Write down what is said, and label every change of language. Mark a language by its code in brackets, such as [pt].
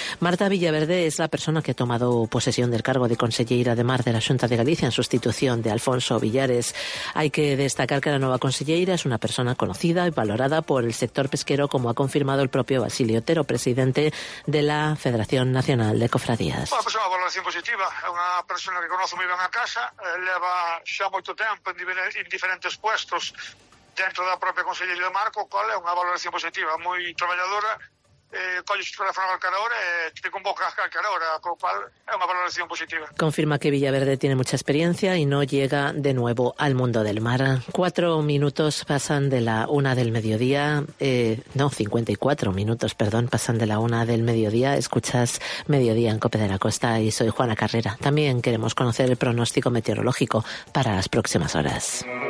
[es] Marta Villaverde es la persona que ha tomado posesión del cargo de conselleira de Mar de la Xunta de Galicia en sustitución de Alfonso Villares. Hay que destacar que la nueva conselleira es una persona conocida y valorada por el sector pesquero, como ha confirmado el propio Basilio Otero, presidente de la Federación Nacional de Cofradías. Bueno, pues una valoración positiva. Es una persona que conozco muy bien a casa. [gl] Leva xa moito tempo en diferentes puestos dentro da propia Consellería de Marco, cual é unha valoración positiva, moi traballadora, colle o teléfono a calquera hora e te convoca a calquera hora, co cual é unha valoración positiva. [es] Confirma que Villaverde tiene mucha experiencia y no llega de nuevo al mundo del mar. 4 minutos pasan de la una del mediodía, 54 minutos, perdón, pasan de la una del mediodía. Escuchas Mediodía en COPE de la Costa y soy Juana Carrera. También queremos conocer el pronóstico meteorológico para las próximas horas.